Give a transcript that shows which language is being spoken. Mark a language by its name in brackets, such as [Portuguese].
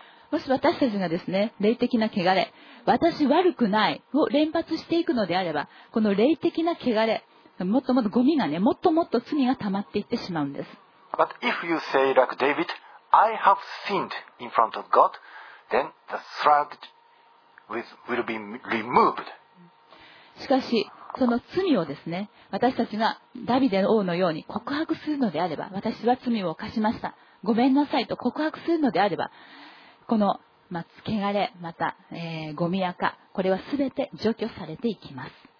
[Japanese] もし私たちがですね、霊的な汚れ、私悪くないを連発していくのであれば、この霊的な汚れ、もっともっとゴミがね、もっともっと罪が溜まっていってしまうんです。 [English] But if you say like David, I have sinned in front of God, then the sludge will be removed. [Japanese] しかし、その罪をですね、私たちがダビデ王のように告白するのであれば、私は罪を犯しました、ごめんなさいと告白するのであれば、この、まあ、汚れまた、ゴミ垢、これはすべて除去されていきます。